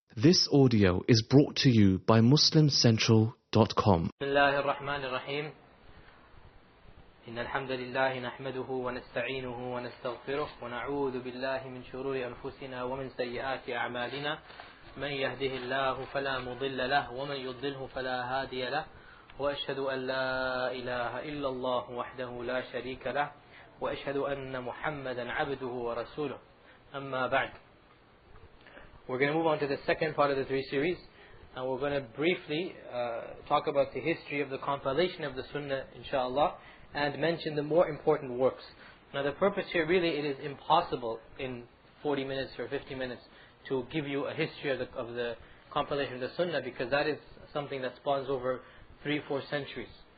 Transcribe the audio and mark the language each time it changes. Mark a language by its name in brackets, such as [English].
[English] This audio is brought to you by MuslimCentral.com. [Arabic] بالله الرحمن الرحيم إن الحمد لله نحمده ونستعينه ونستغفره ونعوذ بالله من شرور أنفسنا ومن سيئات أعمالنا من يهده الله فلا مضل له ومن يضله فلا هادي له وأشهد أن لا إله إلا الله وحده لا شريك له وأشهد أن محمدا عبده ورسوله أما بعد. [English] We're going to move on to the second part of the three series, and we're going to briefly talk about the history of the compilation of the Sunnah, inshallah, and mention the more important works. Now the purpose here, really, it is impossible in 40 minutes or 50 minutes to give you a history of the compilation of the Sunnah, because that is something that spans over 3-4 centuries.